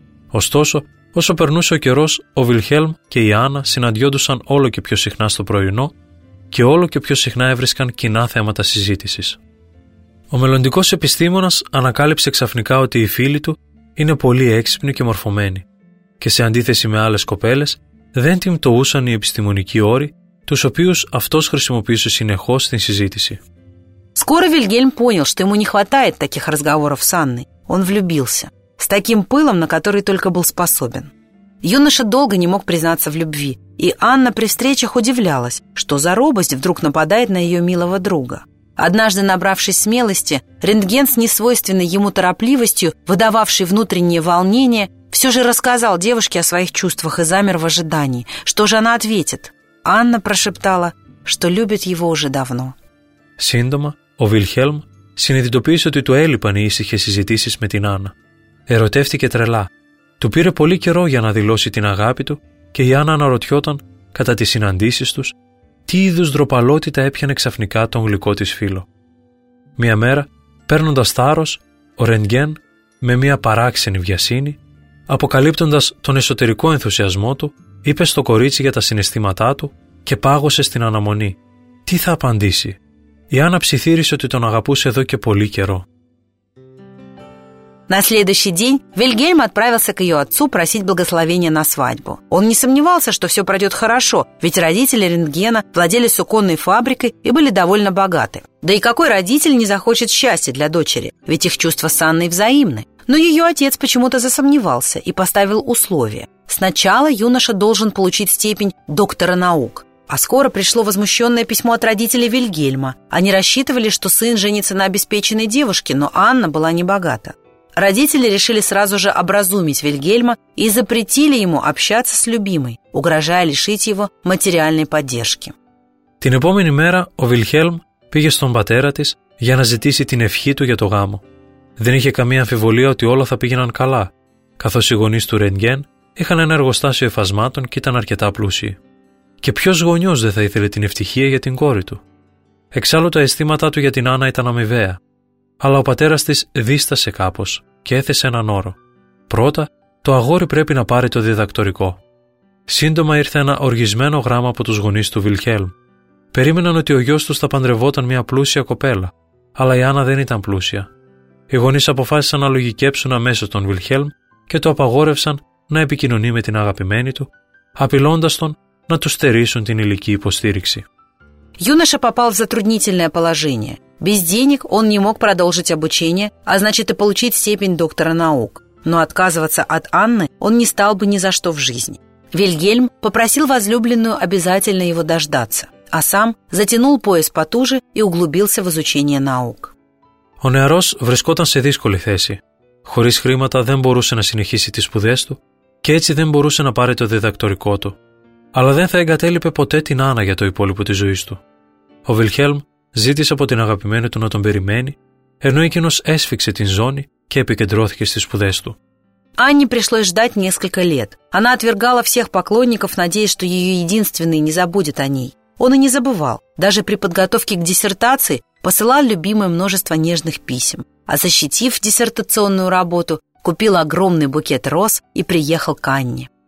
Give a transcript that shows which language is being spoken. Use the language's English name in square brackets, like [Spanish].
[Greek] Ωστόσο, όσο περνούσε ο καιρός, ο Βιλχέλμ και η Άννα συναντιόντουσαν όλο και πιο συχνά στο πρωινό και όλο και πιο συχνά έβρισκαν κοινά θέματα συζήτησης. Ο μελλοντικός επιστήμονας ανακάλυψε ξαφνικά ότι οι φίλοι του είναι πολύ έξυπνοι και μορφωμένοι και σε αντίθεση με άλλες κοπέλες δεν την πτωούσαν οι επιστημονικοί όροι, τους οποίους αυτός χρησιμοποιούσε συνεχώς στην συζήτηση. [Russian] Скоро Вильгельм понял, что ему не хватает таких разговоров с Анной. Он влюбился. С таким пылом, на который только был способен. Юноша долго не мог признаться в любви, и Анна при встречах удивлялась, что за робость вдруг нападает на ее милого друга. Однажды, набравшись смелости, Рентген с несвойственной ему торопливостью, выдававший внутреннее волнение, все же рассказал девушке о своих чувствах и замер в ожидании. Что же она ответит? Анна прошептала, что любит его уже давно. [Greek] Синдома, о Вильхельм, συνειδητοποίησε ότι του έλειπαν οι ήσυχες συζητήσεις με την Άννα. Ερωτεύτηκε τρελά. Του πήρε πολύ καιρό για να δηλώσει την αγάπη του και η Άννα αναρωτιόταν, κατά τις συναντήσεις τους, τι είδους ντροπαλότητα έπιανε ξαφνικά τον γλυκό της φίλο. Μια μέρα, παίρνοντας θάρρος, ο Ρέντγκεν, με μια παράξενη βιασύνη, αποκαλύπτοντας τον εσωτερικό ενθουσιασμό του, είπε στο κορίτσι για τα συναισθήματά του και πάγωσε στην αναμονή. Τι θα απαντήσει? Η Άννα ψιθύρισε ότι τον αγαπούσε εδώ και πολύ καιρό. [Russian] На следующий день Вильгельм отправился к ее отцу просить благословения на свадьбу. Он не сомневался, что все пройдет хорошо, ведь родители Рентгена владели суконной фабрикой и были довольно богаты. Да и какой родитель не захочет счастья для дочери, ведь их чувства с Анной взаимны. Но ее отец почему-то засомневался и поставил условие. Сначала юноша должен получить степень доктора наук. А скоро пришло возмущенное письмо от родителей Вильгельма. Они рассчитывали, что сын женится на обеспеченной девушке, но Анна была небогата. Родители решили сразу же образумить Вильгельма и запретили ему общаться с любимой, угрожая лишить его материальной поддержки. [Greek] Την επόμενη μέρα ο Βιλχέλμ πήγε στον πατέρα της για να ζητήσει την ευχή του για το γάμο. Δεν είχε καμία αμφιβολία ότι όλα θα πήγαιναν καλά, καθώς οι γονείς του Ρεντγκέν είχαν ένα εργοστάσιο εφασμάτων και ήταν αρκετά πλούσιοι. Και ποιος γονιός δεν θα ήθελε την ευτυχία για την κόρη του? Εξάλλου τα αισθήματά του για την Άννα ήταν αμοιβαία. Αλλά ο πατέρας της δίστασε κάπως και έθεσε έναν όρο. Πρώτα, το αγόρι πρέπει να πάρει το διδακτορικό. Σύντομα ήρθε ένα οργισμένο γράμμα από τους γονείς του Βιλχέλμ. Περίμεναν ότι ο γιος τους θα παντρευόταν μια πλούσια κοπέλα, αλλά η Άννα δεν ήταν πλούσια. Οι γονείς αποφάσισαν να λογικέψουν αμέσως τον Βιλχέλμ και το απαγόρευσαν να επικοινωνεί με την αγαπημένη του, απειλώντας τον να του στερήσουν την υλική υποστήριξη. [Russian] Юноша попал в затруднительное положение. Без денег он не мог продолжить обучение, а значит и получить степень доктора наук. Но отказываться от Анны он не стал бы ни за что в жизни. Вильгельм попросил возлюбленную обязательно его дождаться, а сам затянул пояс потуже и углубился в изучение наук. [Greek] Ο νεαρός βρισκόταν σε δύσκολη θέση. Χωρίς χρήματα δεν μπορούσε να συνεχίσει τις σπουδές του και έτσι δεν μπορούσε να πάρει το διδακτορικό του. Αλλά δεν θα εγκατέλειπε ποτέ την Άννα για το υπόλοιπο της ζωής του. Ο Βιλχέλμ ζήτησε από την αγαπημένη του να τον περιμένει, ενώ εκείνος έσφιξε την ζώνη και επικεντρώθηκε στις σπουδές του. [Russian] Анне пришлось ждать несколько лет. Она отвергала всех поклонников, надеясь, что ее единственный не забудет о ней. Он и не забывал. Даже при подготовке к диссертации посылал любимой множество нежных писем. А защитив диссертационную работу, купил огромный букет роз и приехал к Анне.